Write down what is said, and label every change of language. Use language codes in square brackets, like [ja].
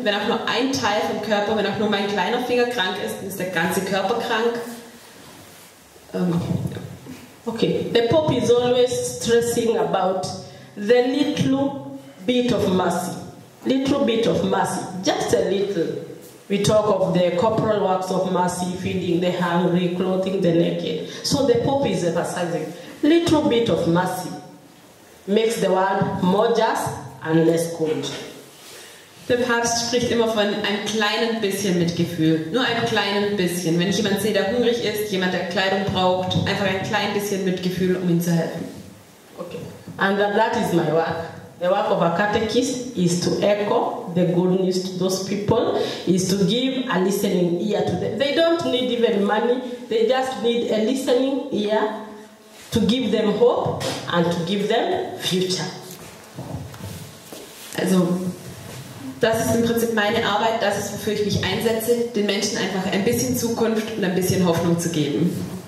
[de] Wenn auch nur ein Teil vom Körper, wenn auch nur mein kleiner Finger krank ist, dann ist der ganze Körper krank. [en] Okay, the Pope is always stressing about the little bit of mercy. Little bit of mercy, just a little. We talk of the corporal works of mercy, feeding the hungry, clothing the naked. So the Pope is emphasizing, little bit of mercy makes the world more just and less cold. [de] Der Papst spricht immer von einem kleinen bisschen Mitgefühl. Nur ein kleinen bisschen. Wenn ich jemanden sehe, der hungrig ist, jemand, der Kleidung braucht, einfach ein klein bisschen Mitgefühl, um ihm zu helfen. [en] Okay. And that is my work. The work of a catechist is to echo the good news to those people, is to give a listening ear to them. They don't need even money. They just need a listening ear to give them hope and to give them future. [de] Also, Das ist im Prinzip meine Arbeit, das ist, wofür ich mich einsetze, den Menschen einfach ein bisschen Zukunft und ein bisschen Hoffnung zu geben.